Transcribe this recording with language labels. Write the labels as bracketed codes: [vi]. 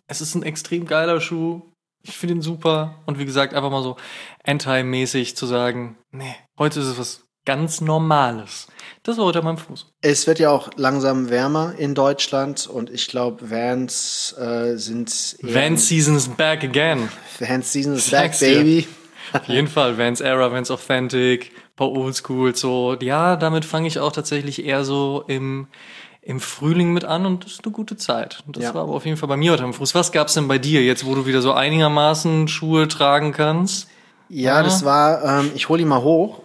[de] Es ist ein extrem geiler Schuh. Ich finde ihn super. Und wie gesagt, einfach mal so anti-mäßig zu sagen, nee, heute ist es was ganz Normales. Das war heute mein Fuß. Es wird ja auch langsam wärmer in Deutschland und ich glaube, Vans sind... [en] Vans Season is back again. Vans Season is back, baby. [de] Auf jeden Fall, Vans Era, Vans Authentic, ein paar Oldschool, so. Ja, damit fange ich auch tatsächlich eher so im Frühling mit an und das ist eine gute Zeit. Das ja. War aber auf jeden Fall bei mir heute am Fuß. Was gab's denn bei dir jetzt, wo du wieder so einigermaßen Schuhe tragen kannst? Ja, das war, ich hole ihn mal hoch.